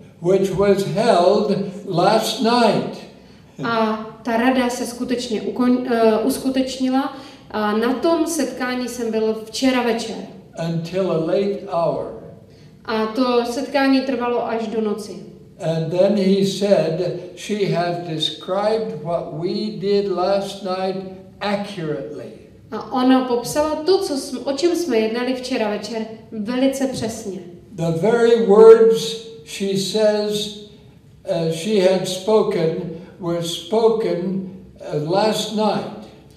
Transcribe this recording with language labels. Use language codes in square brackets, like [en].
[en] Which was held last night. [cs] A ta rada se skutečně uskutečnila a na tom setkání jsem byl včera večer. [en] Until a late hour. [cs] A to setkání trvalo až do noci. [en] And then he said, she has described what we did last night accurately. [cs] A ona popsala to, o čem jsme jednali včera večer, velice přesně. [en] The very words she says she had spoken were spoken last night.